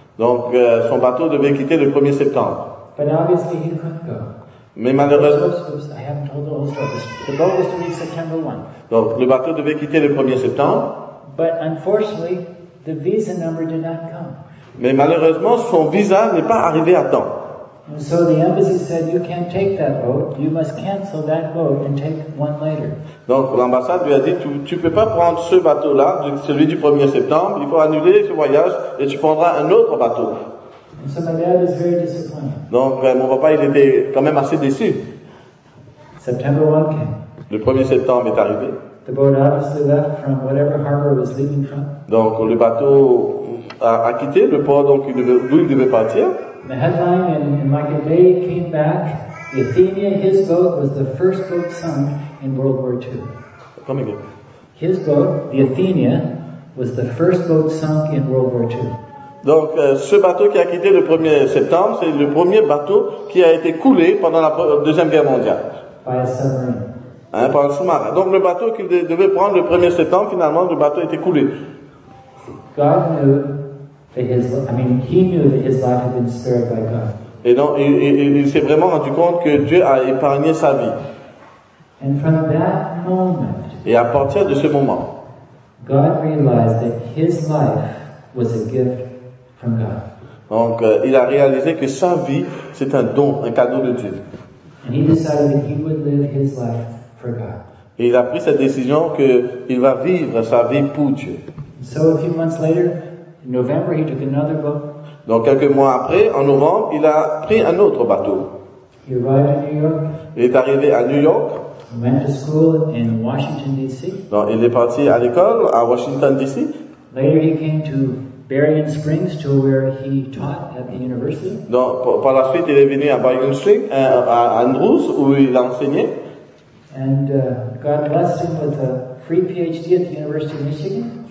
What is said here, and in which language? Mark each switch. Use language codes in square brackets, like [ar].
[fr] Donc, son bateau devait quitter le 1er septembre. [en] But obviously he couldn't go. [fr] Mais malheureusement... [en] Oops, I haven't told the whole story. The boat was to leave September 1. [fr] Donc, le bateau devait quitter le 1er septembre. [en] But unfortunately, the visa number did not come. [fr] Mais malheureusement, son visa n'est pas arrivé à temps. [en] So the embassy said, you can't take that boat. You must cancel that boat and take one later. [fr] Donc l'ambassade lui a dit, tu peux pas prendre ce bateau-là, celui du 1er septembre. Il faut annuler ce voyage et tu prendras un autre bateau. [en] And so my dad was very disappointed. [fr] Donc mon papa, il était quand même assez déçu. [en] September 1 came. [fr] Le 1er septembre est arrivé. [en] The boat obviously left from whatever harbor was leaving from. [fr] Donc le bateau a quitté le port d'où il devait partir. [en] The headline in Michael Bay came back. Athenia, his boat, was the first boat sunk in World War II. Come again. His boat, the Athenia, was the first boat sunk in World War II. [fr] Donc, ce bateau qui a quitté le 1er septembre, c'est le premier bateau qui a été coulé pendant la Deuxième Guerre mondiale. [en] By a submarine. [fr] Hein, par un sous-marin. Donc, le bateau qu'il devait prendre le 1er septembre, finalement, le bateau a été coulé. [en] God knew. He knew that his life had been spared by God. [fr] Et donc, il s'est vraiment rendu compte que Dieu a épargné sa vie. [en] And from that moment, [fr] et à partir de ce moment, [en] God realized that his life was a gift from God. [fr] Donc, il a réalisé que sa vie, c'est un don, un cadeau de Dieu. [en] And he decided that he would live his life for God. [fr] Et il a pris cette décision qu'il va vivre sa vie pour Dieu. [en] So a few months later, in November, he took another boat. [fr] Donc quelques mois après, en novembre, il a pris un autre bateau. [en] He arrived in New York. [fr] Il est arrivé à New York. [en] He went to school in Washington, D.C. [fr] Donc il est parti à l'école à Washington, D.C. [en] Later, he came to Berrien Springs to where he taught at the university. [fr] Donc, par la suite, il est venu à Berrien Springs, à Andrews, où il enseignait. [en] And God blessed him with a free PhD at the University of Michigan.